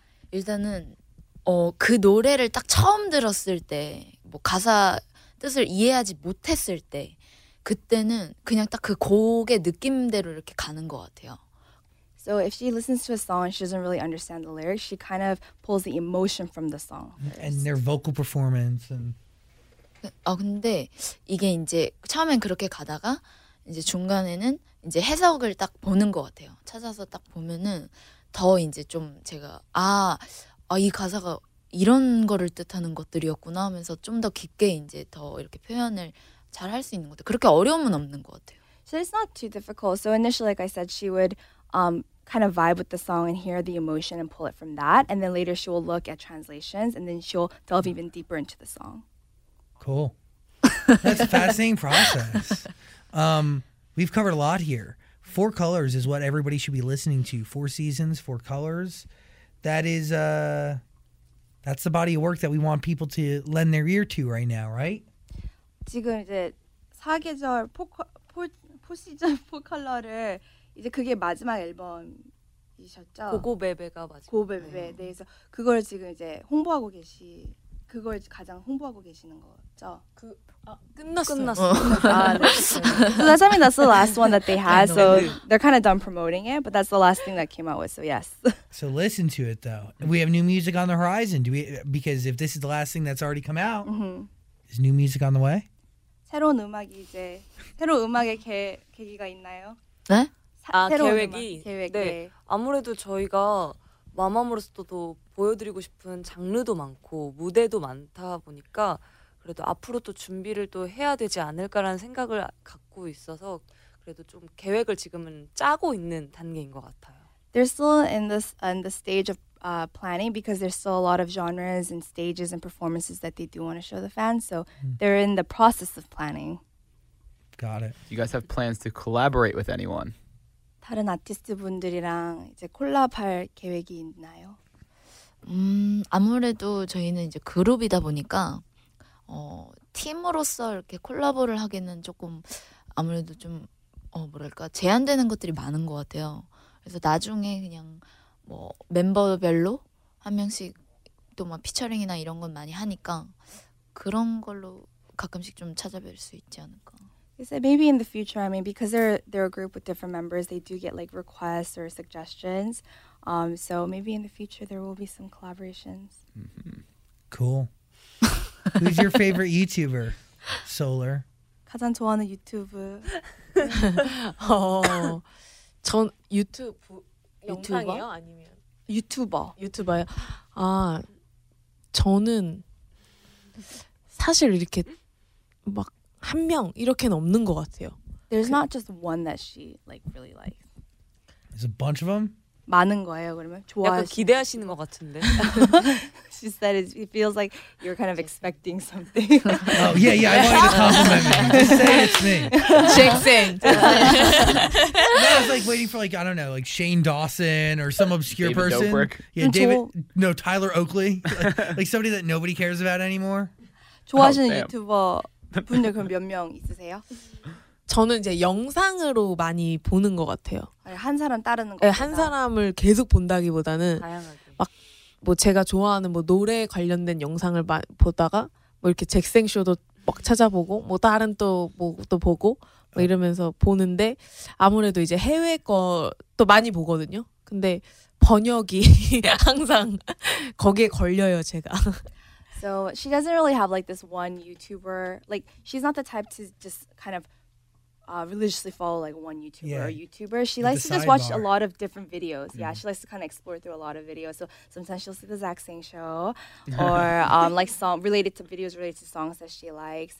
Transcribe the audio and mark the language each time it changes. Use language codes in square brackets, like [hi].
[ko] 일단은 그 노래를 딱 처음 들었을 때 뭐 가사 뜻을 이해하지 못했을 때 그때는 그냥 딱 그 곡의 느낌대로 이렇게 가는 것 같아요. [en] So if she listens to a song, she doesn't really understand the lyrics. She kind of pulls the emotion from the song first. And their vocal performance. And [ko] 근데 이게 이제 처음엔 그렇게 가다가 이제 중간에는 이제 해석을 딱 보는 것 같아요. 찾아서 딱 보면은 더 이제 좀 제가 이 가사가 이런 거를 뜻하는 것들이었구나 하면서 좀 더 깊게 이제 더 이렇게 표현을 잘 할 수 있는 것 같아요. 그렇게 어려움은 없는 것 같아요. [en] So it's not too difficult. So initially, like I said, she would kind of vibe with the song and hear the emotion and pull it from that. And then later she will look at translations and then she'll delve even deeper into the song. Cool. That's a fascinating process. We've covered a lot here. Four Colors is what everybody should be listening to. Four Seasons, Four Colors. That is that's the body of work that we want people to lend their ear to right now, right? [ko] 지금 이제 사계절 포시즌 포컬러를 이제 그게 마지막 앨범이셨죠? 고고베베가 마지막. 고베베. 네. 그래서 그걸 지금 이제 홍보하고 계시 그걸 가장 홍보하고 계시는 거죠? 그 끝났어. 아, 네. [en] So that's, I mean, that's the last one that they had. So they're kind of done promoting it, but that's the last thing that came out with. So yes. So listen to it though. We have new music on the horizon. Do we? Because if this is the last thing that's already come out, mm-hmm. is new music on the way? [ko] 새로운 음악이 이제 새로운 음악의 계기가 있나요? 네? 아 계획이. 계획. 네. 네. 아무래도 저희가 마마무로서도 보여드리고 싶은 장르도 많고 무대도 많다 보니까. 그래도 앞으로 또 준비를 또 해야 되지 않을까라는 생각을 갖고 있어서 그래도 좀 계획을 지금은 짜고 있는 단계인 것 같아요. [en] They're still in the stage of planning because there's still a lot of genres and stages and performances that they do want to show the fans. So they're in the process of planning. Got it. Do you guys have plans to collaborate with anyone? [ko] 다른 아티스트 분들이랑 이제 콜라보할 계획이 있나요? 아무래도 저희는 이제 그룹이다 보니까 팀으로서 이렇게 콜라보를 하기는 조금 아무래도 좀 뭐랄까 제한되는 것들이 많은 것 같아요. 그래서 나중에 그냥 뭐 멤버별로 한 명씩 또 막 피처링이나 이런 건 많이 하니까 그런 걸로 가끔씩 좀 찾아뵐 수 있지 않을까. [en] You said maybe in the future. I mean, because they're a group with different members, they do get like requests or suggestions. So maybe in the future there will be some collaborations. Cool. Who's your favorite YouTuber, Solar? [ko] 가장 좋아하는 유튜브. 전 유튜브 영상이요 아니면 유튜버. 유튜버요. 아 저는 사실 이렇게 막 한 명 이렇게는 없는 것 같아요. [en] There's not just one that she like really likes. There's a bunch of them. [ko] 많은 거예요 그러면 좋아하시는 약간 기대하시는 것 같은데. [en] She said it feels like you're kind of expecting something. Oh yeah, yeah. I wanted to compliment me. Say it's me. Jake Zane. No, I was like waiting for like I don't know like Shane Dawson or some obscure David Dobrik. Yeah, David. No, Tyler Oakley. Like somebody that nobody cares about anymore. [ko] 좋아하시는 유튜버 분들 그럼 몇 명 있으세요? 저는 이제 영상으로 많이 보는 것 같아요. 한 사람 따르는 것보다. 한 사람을 계속 본다기보다는 다양하게. 막 뭐 제가 좋아하는 뭐 노래 관련된 영상을 보다가 뭐 이렇게 잭생쇼도 막 찾아보고 뭐 다른 또 뭐 또 보고 뭐 이러면서 보는데 아무래도 이제 해외 거 또 많이 보거든요. 근데 번역이 항상 거기에 걸려요 제가. [en] So she doesn't really have like this one YouTuber. Like she's not the type to just kind of religiously follow like one YouTuber or YouTuber. She likes to just watch a lot of different videos. Yeah, she likes to kind of explore through a lot of videos. So sometimes she'll see the Zach Sang show or like song related to videos related to songs that she likes.